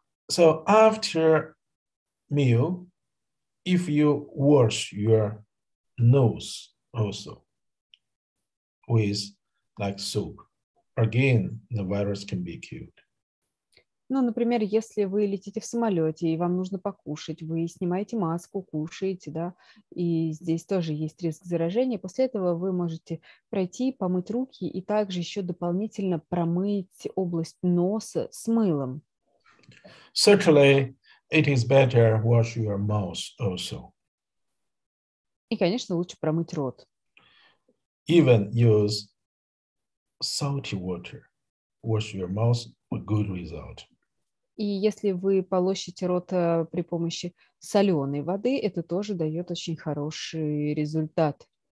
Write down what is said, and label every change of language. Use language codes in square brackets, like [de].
[en] So after meal, if you wash your nose also with like soap, again, the virus can be killed. [ru] Ну, например, если вы летите в самолете и вам нужно покушать, вы снимаете маску, кушаете, да, и здесь тоже есть риск заражения. После этого вы можете пройти, помыть руки и также еще дополнительно промыть область носа с мылом. [en] Certainly, it is better wash your mouth also. [ru] И, конечно, лучше промыть рот. [en] Even use salty water. Wash your mouth with good result. [ru] И если вы полощете рот при помощи соленой воды, это тоже дает очень хороший результат.